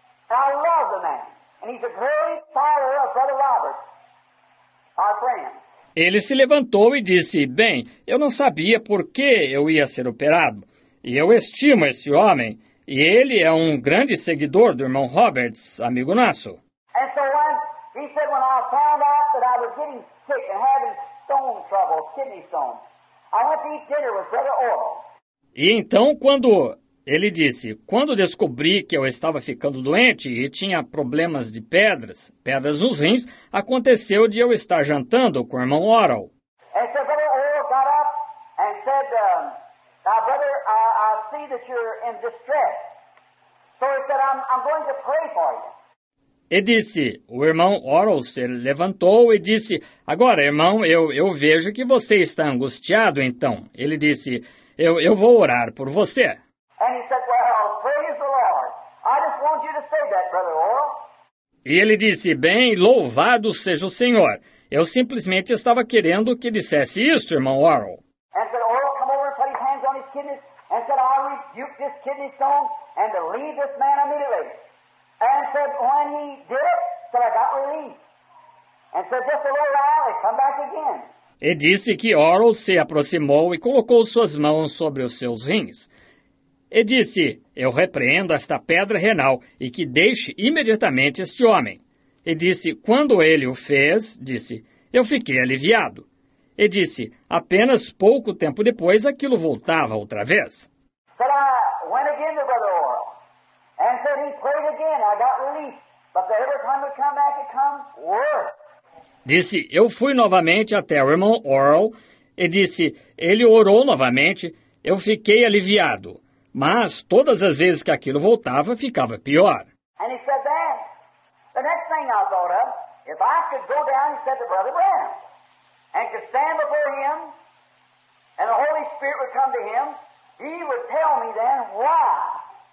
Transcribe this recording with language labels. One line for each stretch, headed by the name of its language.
English: I love the man, and he's a great follower of Brother Robert, our friend.
Portuguese: Ele se levantou e disse, bem, eu não sabia por que eu ia ser operado, e eu estimo esse homem, e ele é um grande seguidor do irmão Roberts, amigo nosso.
English: And so once, he said, when I found out that I was getting sick and having stone trouble, kidney stone, I went to eat dinner with Brother Oral.
Portuguese: E então, quando... Ele disse, quando descobri que eu estava ficando doente e tinha problemas de pedras nos rins, aconteceu de eu estar jantando com o irmão Oral.
English: And so Brother Oral got up and said, Now, brother, I see that you're in distress. So he said, I'm going to pray for you.
Portuguese: E disse, o irmão Orals levantou e disse, agora, irmão, eu vejo que você está angustiado, então. Ele disse, eu vou orar por você.
English: And he said, well, praise the Lord. I just want you to say that, brother Orals.
Portuguese: E ele disse, bem, louvado seja o Senhor. Eu simplesmente estava querendo que dissesse isso, irmão Orals.
English: And said, Orals, come over and put his hands on his kidneys. And said, I rebuke this kidney stone and to leave this man immediately. And said, when he did it, said, I got relief. And said, just a little while, it come back again.
Portuguese: E disse que Oral se aproximou e colocou suas mãos sobre os seus rins. E disse, eu repreendo esta pedra renal e que deixe imediatamente este homem. E disse, quando ele o fez, disse, eu fiquei aliviado. E disse, apenas pouco tempo depois, aquilo voltava outra vez.
English: Said, I went again to Brother Oral. And said he prayed again, I got relief. But the every time it come back, it come worse.
Portuguese: Disse, eu fui novamente até o irmão Oral e disse, ele orou novamente, eu fiquei aliviado. Mas todas as vezes que aquilo voltava, ficava pior.
English: And he said that. The next thing I thought of, if I could go down, he said to Brother Brown, and could stand before him, and the Holy Spirit would come to him, he would tell me then why.